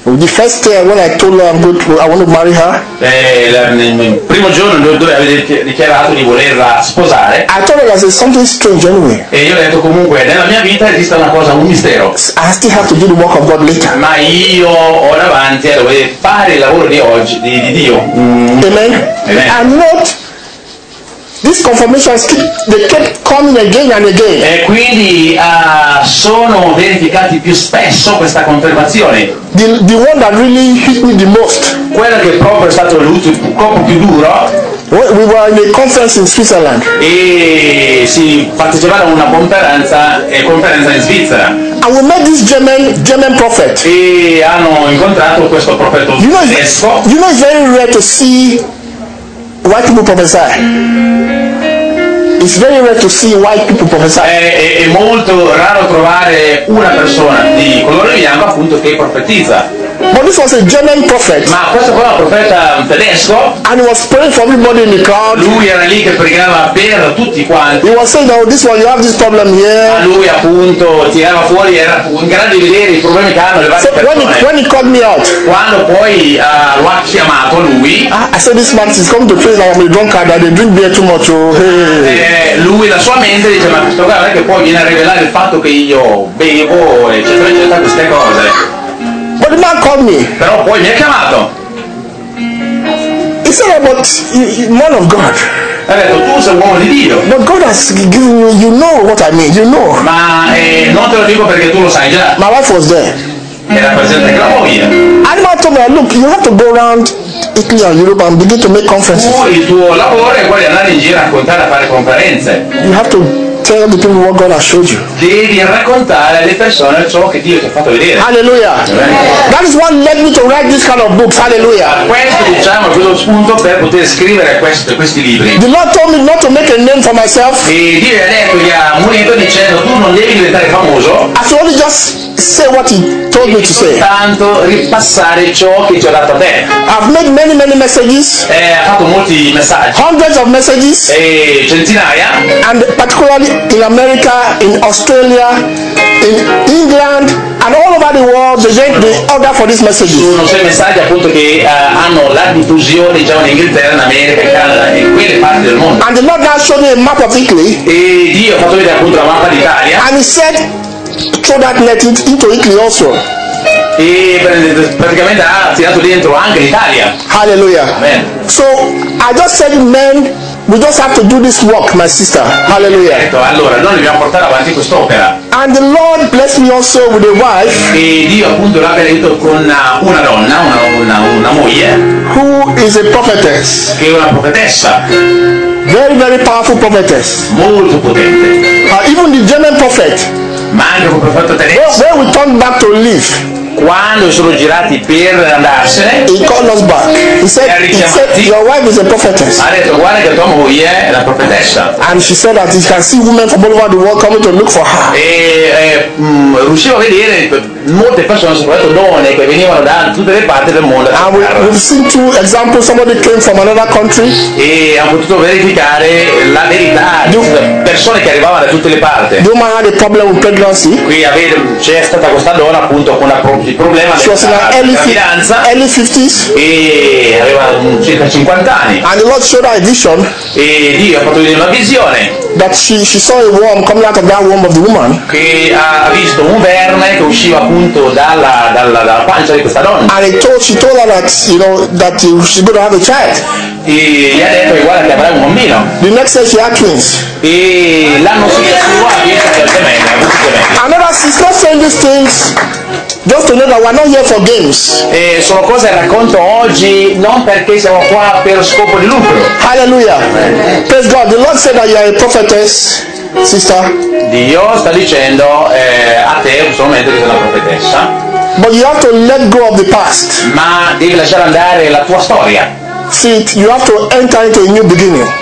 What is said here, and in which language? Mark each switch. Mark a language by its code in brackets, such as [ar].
[en] The first when I told her I want to marry her. [it] Il primo giorno dove avevi dichiarato di volerla sposare. [en] I told her, I said, something strange anyway. [it] E io ho detto, comunque nella mia vita esiste una cosa, un mistero. [en] I still have to do the work of God later. [it] Ma io ho davanti a dover fare il lavoro di oggi di Dio. [en] Amen. Amen. I'm not. This confirmation kept coming again and again. [it] E quindi sono verificati più spesso questa confermazione. [en] The one that really hit me the most. [it] Quella che proprio è stato l'ultimo colpo più duro. [en] We were in a conference in Switzerland. [it] E si partecipava a una conferenza in Svizzera. [en] And we met this German prophet. [it] E hanno incontrato questo profeta tedesco. [en] You know it's very rare to see white people prophesy. It's very rare to see white people prophesy. [it] È molto raro trovare una persona di colore bianco appunto che profetizza. [en] But this was a German prophet. [it] Ma questo qua è un profeta tedesco. [en] And he was praying for everybody in the crowd. [it] Lui era lì che pregava per tutti quanti. [en] He was saying, oh, this one, you have this problem here. [it] A lui appunto tirava fuori, era in grado di vedere i problemi che hanno le varie persone. [en] When he called me out. [it] Quando poi lo ha chiamato lui. [en] I said, this man is coming to pray that I'm a drunkard and I drink beer too much. Oh, hey. [it] Lui la sua mente dice, ma questo qua è che poi viene a rivelare il fatto che io bevo eccetera eccetera queste cose. [en] But the man called me. [it] Però poi mi ha chiamato. [en] He said, but man of God. [it] Ha detto, tu sei un uomo di Dio. [en] But God has given you, you know what I mean, you know. [it] Ma non te lo dico perché tu lo sai già. [en] My wife was there. [it] Era presente anche la moglie. [en] And the man told me, look, you have to go around Italy and Europe and begin to make conferences. [it] Tu, il tuo lavoro è quello di andare in giro a raccontare, a fare conferenze. [en] You have to tell the people what God has showed you. [it] Devi raccontare alle persone ciò che Dio ti ha fatto vedere. [en] Hallelujah. Amen. That is what led me to write this kind of books. Hallelujah. [it] Questo diciamo quello spunto per poter scrivere questi libri. [en] The Lord told me not to make a name for myself. [it] E Dio ha detto gli ha munito dicendo tu non devi diventare famoso. [en] I should only just say what he told me to say. [it] Tanto ripassare ciò che ti ha dato a te. [en] I've made many messages. [it] Ha fatto molti messaggi. [en] Hundreds of messages. [it] E centinaia. [en] And particularly in America, in Australia, in England, and all over the world, the order for these messages. [it] Sono sei messaggi appunto che hanno la diffusione già in Inghilterra, in America, in Canada, in quelle parti del mondo. [en] And the Lord has shown me a map of Italy. [it] E Dio ha fatto vedere appunto la mappa d'Italia. [en] And he said, throw that net into Italy also. [it] E praticamente ha tirato dentro anche l'Italia. [en] Hallelujah. Amen. So I just said, men, we just have to do this work, my sister. Hallelujah. [it] Allora, noi dobbiamo portare avanti quest'opera. [en] And the Lord blessed me also with a wife. [it] E Dio appunto l'ha benedetto con una donna, una moglie. [en] Who is a prophetess? [it] Che è una profetessa. [en] Very, very powerful prophetess. [it] Molto potente. [en] Even the German prophet. [it] Ma anche un profeta tedesco. [en] When we turned back to leave. [it] Quando sono girati per andarsene, [en] he called us back. He said, your wife is a prophetess. [it] Ha detto guarda che tua moglie è la profetessa. [en] And she said that you can see women from all over the world coming to look for her. [it] Riusciva a vedere molte persone, soprattutto donne, che venivano da tutte le parti del mondo. [en] And we've seen two examples. Somebody came from another country. [it] E hanno potuto verificare la verità. Persone che arrivavano da tutte le parti. [en] The woman had a problem with pregnancy. [it] Qui c'è stata questa donna appunto con una. Il problema [en] she was in her early 50s. [it] E aveva circa 50 anni. [en] And the Lord showed her a vision. [it] E Dio ha fatto vedere una visione. [en] That she saw a worm coming out of that womb of the woman. [it] Che ha visto un verme che usciva appunto dalla pancia di questa donna. [en] And she told her that, you know, that she's going to have a child. [it] E gli ha detto guarda che avrà un bambino. [en] The next day she had twins. [it] E l'anno successivo ha visto che [en] Another sister saying these things. Just to know that we're not here for games. [it] E sono cose che racconto oggi non perché siamo qua per scopo di lucro. [en] Hallelujah. Amen. Praise God. The Lord said that you are a prophetess, sister. [it] Dio sta dicendo a te solamente che sei una profetessa. [en] But you have to let go of the past. [it] Ma devi lasciare andare la tua storia. [en] See, you have to enter into a new beginning.